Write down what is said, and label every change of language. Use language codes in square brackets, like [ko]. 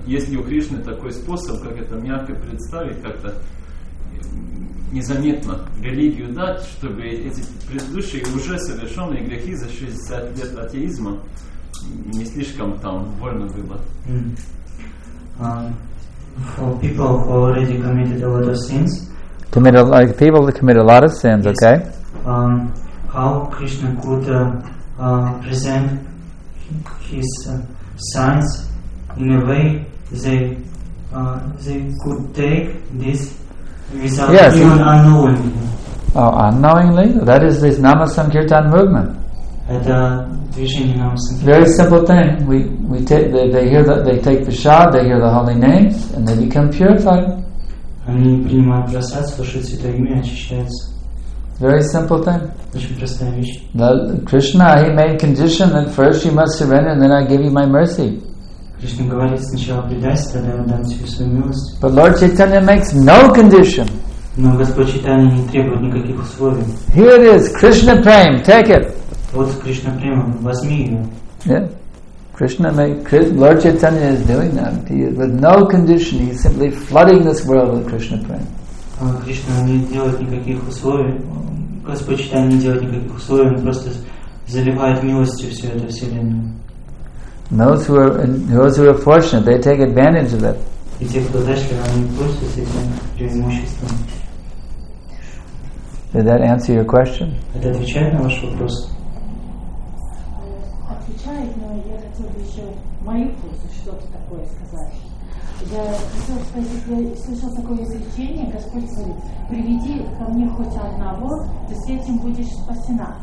[ru] Есть ли у Кришны такой способ, как это мягко представить, как-то незаметно религию дать, чтобы эти предыдущие уже совершенные грехи за 60 лет атеизма не слишком там больно было? [en] For people who already committed a lot of sins, People that commit a lot of sins, yes. Okay? How Krishna could present his signs in a way they could take this without yes. even unknowingly? Oh, unknowingly? That is this Nama Sankirtan movement. Very simple thing. We take they hear that they take Prasad, they hear the holy names, and they become purified. [ru] Они принимают просад, слушают святое имя, очищаются. [en] Very simple thing. [ru] Очень простая вещь. [en] Krishna, he made condition that first you must surrender, and then I give you my mercy. [ru] Кришна говорит, сначала предайся, тогда я дам тебе свою милость. [en] But Lord Chaitanya makes no condition. [ru] Но Господь Чайтанья не требует никаких условий. [en] Here it is, Krishna Prem, take it. [ru] Вот Кришна Према, возьми ее. [en] Yeah. Lord Chaitanya is doing that. He is with no condition. He is simply flooding this world with Krishna prema. [ru] Krishna не делает никаких условий. Господь Чайтанья не делает никаких условий. Он просто заливает милостью всю эту вселенную. [en] Those who are fortunate, they take advantage of it. [ru] И те, кто удачливы, они пользуются этим преимуществом. [en] Did that answer your question? [ru] Это отвечает на ваш вопрос. Но я хотела бы еще в мою пользу что-то такое сказать. Я хотела спросить, я слышала такое изречение, Господь говорит, приведи ко мне хоть одного, ты с этим будешь спасена.